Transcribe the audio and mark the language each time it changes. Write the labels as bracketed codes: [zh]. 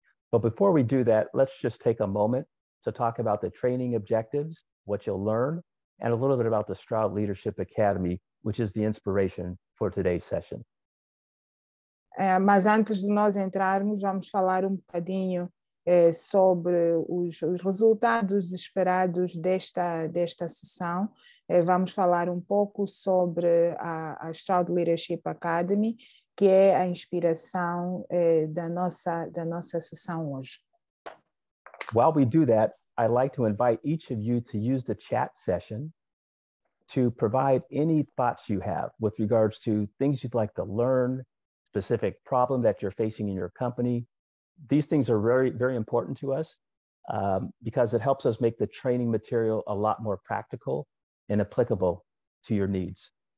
[en] But before we do that, let's just take a moment to talk about the training objectives, what you'll learn, and a little bit about the Stroud Leadership Academy, which is the inspiration for today's session. [pt] Mas antes de nós entrarmos, vamos falar um bocadinho sobre os resultados esperados desta sessão. Vamos falar um pouco sobre a Stroud Leadership Academy, que é a inspiração da nossa sessão hoje. [en] While we do that, I'd like to invite each of you to use the chat session to provide any thoughts you have with regards to things you'd like to learn, specific problem that you're facing in your company. These things are very, very important to us because it helps us make the training material a lot more practical and applicable to your needs.